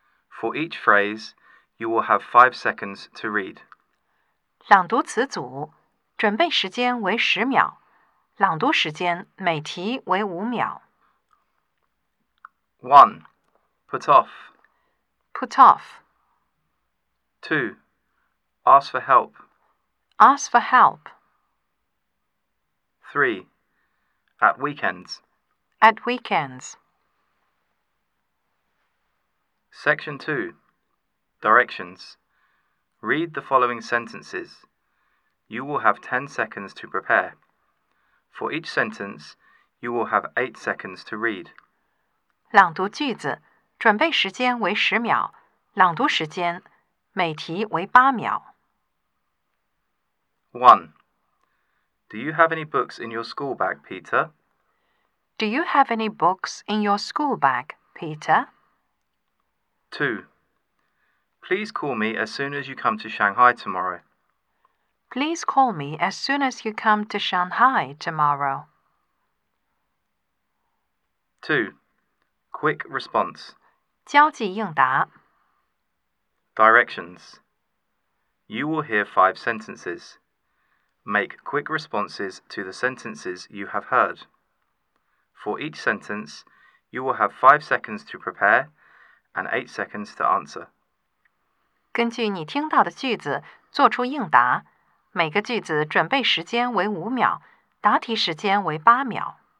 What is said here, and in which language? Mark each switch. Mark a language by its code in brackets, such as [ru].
[en] For each phrase,You will have 5 seconds to read. [zh] 朗读词组，准备时间为10秒，朗读时间每题为5秒。 [en] 1. Put off. Put off. 2. Ask for help. Ask for help. 3. At weekends. At weekends. Section 2. Directions. Read the following sentences. You will have 10 seconds to prepare. For each sentence, you will have 8 seconds to read. [zh] 朗读句子，准备时间为10秒，朗读时间每题为8秒。 [en] 1. Do you have any books in your school bag, Peter? Do you have any books in your school bag, Peter? 2. Please call me as soon as you come to Shanghai tomorrow. Please call me as soon as you come to Shanghai tomorrow. 2. Quick response. [zh] 交际应答 [en] Directions. You will hear 5 sentences. Make quick responses to the sentences you have heard. For each sentence, you will have 5 seconds to prepare and 8 seconds to answer. [zh] 根据你听到的句子做出应答，每个句子准备时间为5秒，答题时间为8秒。